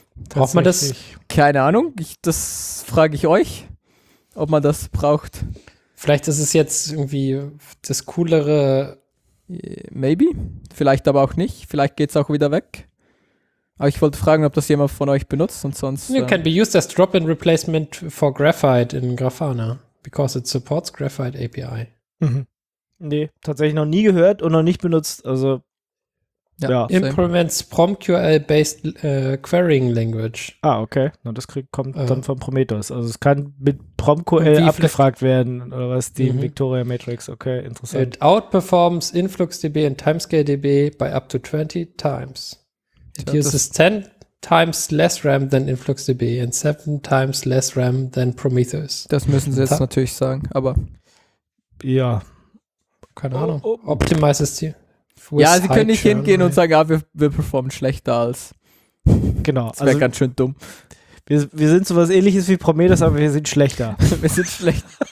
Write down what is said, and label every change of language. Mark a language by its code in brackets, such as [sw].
[de] Braucht man das? Keine Ahnung, das frage ich euch, ob man das braucht. Vielleicht ist es jetzt irgendwie das coolere. [en] Maybe, [de] vielleicht aber auch nicht. Vielleicht geht es auch wieder weg. Aber ich wollte fragen, ob das jemand von euch benutzt und sonst. [en] It can be used as drop-in replacement for Graphite in Grafana, because it supports Graphite API. Mhm. [de] Nee, tatsächlich noch nie gehört und noch nicht benutzt, also. [en] Ja, implements PromQL-based querying language. Ah, okay. [de] Na, das kommt dann von Prometheus. Also es kann mit PromQL abgefragt werden, oder was, die Victoria Matrix. Okay, interessant. [en] It outperforms InfluxDB and TimescaleDB by up to 20 times. It uses 10 times less RAM than InfluxDB and 7 times less RAM than Prometheus. [de] Das müssen sie jetzt natürlich sagen, aber ja. Keine Ahnung. Optimizes die. Ja, sie können nicht hingehen und sagen, wir performen schlechter als. Genau. Das wäre also ganz schön dumm. Wir sind sowas ähnliches wie Prometheus, aber wir sind schlechter. Wir sind schlechter.